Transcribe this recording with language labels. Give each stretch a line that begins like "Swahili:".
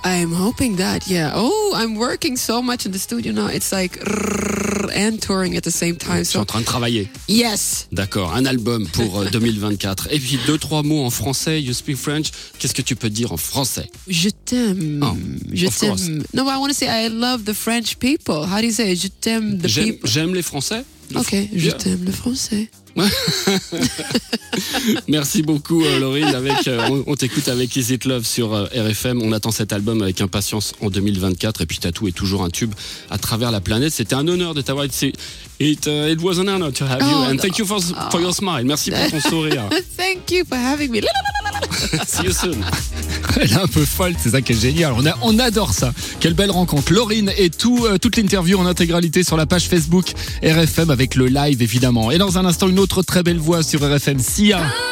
English: I'm hoping that, yeah. Oh, I'm working so much in the studio now. It's like... and touring at the same time.
French: Je suis en train de travailler.
English: Yes.
French: D'accord, un album pour 2024. Et puis deux, trois mots en français.
English: You speak French.
French: Qu'est-ce que tu peux dire en français? Je t'aime. Oh, je t'aime.
English: Course. No, I want to say I love the French people. How do you say it?
French: Je t'aime
English: the
French: j'aime,
English: people.
French: J'aime les Français. Ok, je t'aime le français. Merci beaucoup Laurine. On t'écoute avec Is It Love sur RFM. On attend cet album avec impatience en 2024. Et puis Tatou est toujours un tube à travers la planète. C'était un honneur de t'avoir.
English: It was an honor to have you. And thank you for your smile.
French: Merci pour ton sourire.
English: Thank you for having me. See you soon.
French: Elle est un peu folle, c'est ça qui est génial. On adore ça. Quelle belle rencontre. Laurine et toute l'interview en intégralité sur la page Facebook RFM avec le live, évidemment. Et dans un instant, une autre très belle voix sur RFM, Sia.